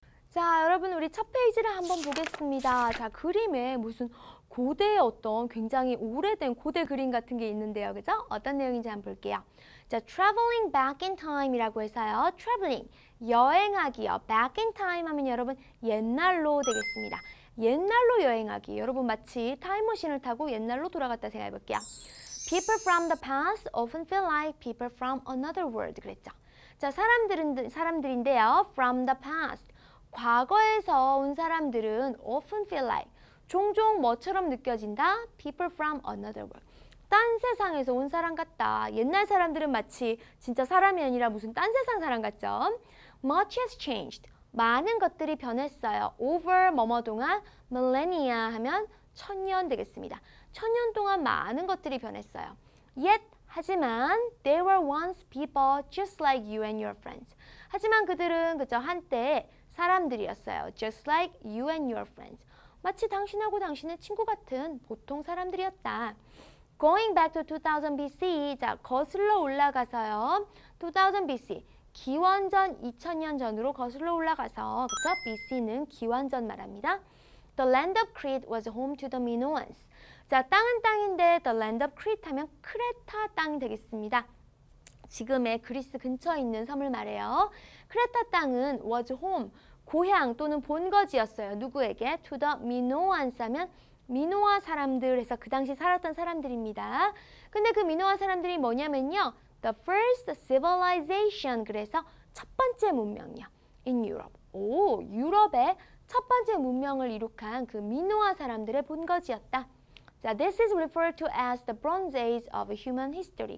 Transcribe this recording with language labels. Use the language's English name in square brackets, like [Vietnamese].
[Korean] 자, 여러분 우리 첫 페이지를 한번 보겠습니다. 자, 그림에 무슨 고대의 어떤 굉장히 오래된 고대 그림 같은 게 있는데요. 그죠? 어떤 내용인지 한번 볼게요. 자, [English] traveling back in time [Korean] 이라고 해서요. traveling, 여행하기요. back in time 하면 여러분 옛날로 되겠습니다. 옛날로 여행하기. 여러분 마치 타임머신을 타고 옛날로 돌아갔다 생각해볼게요. [English] people from the past often feel like people from another world [Korean] 그랬죠. 자, 사람들인데요. [English] from the past, [Korean] 과거에서 온 사람들은 often feel like 종종 뭐처럼 느껴진다? [English] people from another world. [Korean] 딴 세상에서 온 사람 같다. 옛날 사람들은 마치 진짜 사람이 아니라 무슨 딴 세상 사람 같죠? [English] much has changed. [Korean] 많은 것들이 변했어요. over 뭐뭐 동안 millennia 하면 천년 되겠습니다. 천년 동안 많은 것들이 변했어요. [English] yet [Korean] 하지만 [English] they were once people just like you and your friends. [Korean] 하지만 그들은 그저 한때 사람들이었어요. [English] just like you and your friends. [Korean] 마치 당신하고 당신의 친구 같은 보통 사람들이었다. [English] Going back to 2000 BC, [Korean] 자, 거슬러 올라가서요. 2000 BC, 기원전 2000년 전으로 거슬러 올라가서, 그쵸? BC는 기원전 말합니다. [English] The land of Crete was home to the Minoans. [Korean] 자, 땅은 땅인데 the land of Crete 하면 크레타 땅이 되겠습니다. 지금의 그리스 근처에 있는 섬을 말해요. 크레타 땅은 was home, 고향 또는 본거지였어요. 누구에게? To the Minoans 하면 미노아 사람들에서 그 당시 살았던 사람들입니다. 근데 그 미노아 사람들이 뭐냐면요. [English] The first civilization, [Korean] 그래서 첫 번째 문명이요. [English] In Europe. [Korean] 오, 유럽의 첫 번째 문명을 이룩한 그 미노아 사람들의 본거지였다. 자, [English] this is referred to as the Bronze Age of human history.